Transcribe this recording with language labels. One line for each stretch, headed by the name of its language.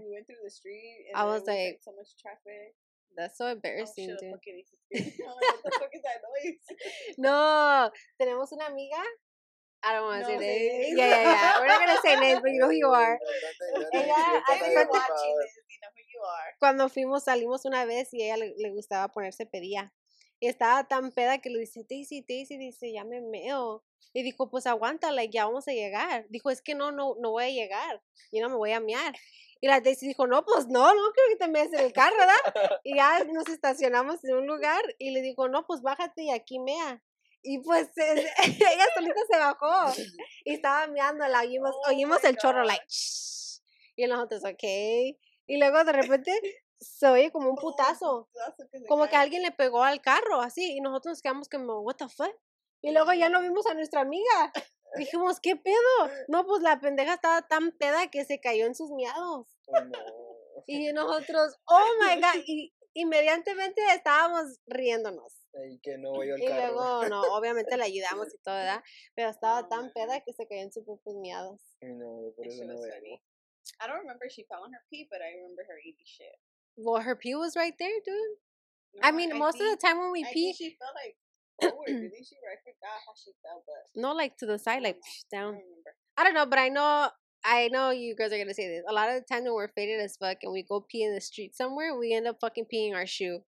English: We went through the street and I was like, so much traffic. That's so embarrassing, oh, dude. Up, okay. What the fuck is that noise?
Spanish: No, tenemos una amiga.
English: I don't want to say names. Yeah. We're not going to say names, but you know who you are. Ella, I'm watching this. You are.
Spanish: Cuando fuimos, salimos una vez y ella le gustaba ponerse pedía. Y estaba tan peda que le dice, Daisy, dice, ya me meo. Y dijo, pues aguántala, ya vamos a llegar. Dijo, es que no voy a llegar. Yo no me voy a mear. Y la Daisy dijo, no, pues no creo que te mees en el carro, ¿verdad? Y ya nos estacionamos en un lugar y le dijo, no, pues bájate y aquí mea. Y pues ella solita se bajó y estaba meándola. Oímos el chorro, like, shh. Y nosotros, okay. Y luego de repente se oye como un putazo. Como que alguien le pegó al carro, así. Y nosotros nos quedamos como,
English: what the fuck?
Spanish: Y luego ya no vimos a nuestra amiga. Dijimos, ¿qué pedo? No, pues la pendeja estaba tan peda que se cayó en sus miados.
English: Oh, no.
Spanish: Y nosotros,
English: oh my God.
Spanish: Y inmediatamente estábamos riéndonos. Y que no voy al carro. Y luego, no, obviamente la ayudamos y todo, ¿verdad? Pero estaba tan peda que se cayó en sus propios miados. No, por eso no veo.
English: I don't remember she fell on her pee, but I remember her eating shit. Well, her pee was right there, dude. No, I mean, most of the time when we pee, I think she fell like forward. Didn't she? I forgot how she fell, but no, like to the side, like down. I don't know, but I know you girls are gonna say this. A lot of the time when we're faded as fuck and we go pee in the street somewhere, we end up fucking peeing our shoe.